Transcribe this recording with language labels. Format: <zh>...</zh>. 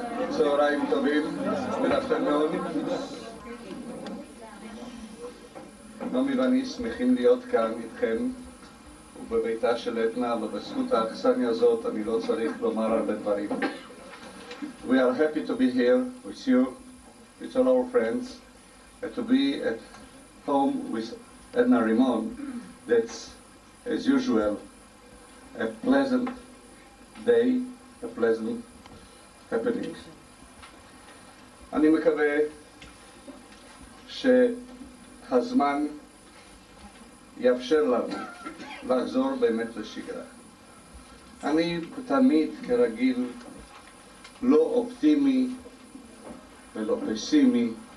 <he>צהריים טובים, מנחם מאוד. נומי ואני שמחים להיות כאן איתכם ובביתה של עדנה, אבל בזכות האכסניה הזאת אני לא צריך לומר הרבה דברים.</he> <en>We are happy to be here with you, with all our friends, and to be at home with עדנה רימון. That's, as usual, a pleasant day, a pleasant happening.</en> <he>אני מקווה שהזמן יאפשר לנו לחזור באמת לשגרה. אני תמיד כרגיל לא אופטימי ולא פסימי.</he>